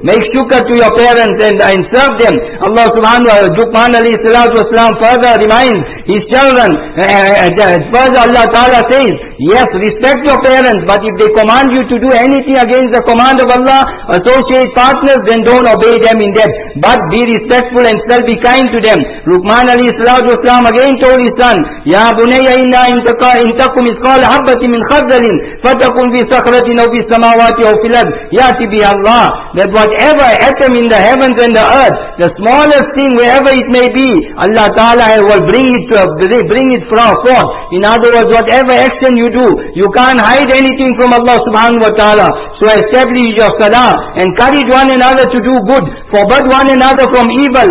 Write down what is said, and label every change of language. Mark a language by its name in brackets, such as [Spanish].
[English] Make shukr to your parents and serve them. Allah subhanahu wa ta'ala, Luqman alayhi salatu wasalam further reminds his children, further Allah ta'ala says, yes, respect your parents, but if they command you to do anything against the command of Allah, associate partners, then don't obey them in that. But be respectful and still be kind to them. Luqman alayhi salatu wasalam again told his son, Ya [Arabic] بُنَيَّ إِنَّا إِنْ تَكُ مِثْقَالَ حَبَّةٍ مِنْ خَرْدَلٍ فَتَكُنْ فِي صَخْرَةٍ أَوْ فِي السَّمَاوَاتِ أَوْ فِي الْأَرْضِ يَأْتِ بِهَا اللَّهُ. [English] That whatever atom in the heavens and the earth, the smallest thing, wherever it may be, Allah Ta'ala will bring it forth. In other words, whatever action you do, you can't hide anything from Allah subhanahu wa ta'ala. So establish your salah, encourage one another to do good, forbid one another from evil.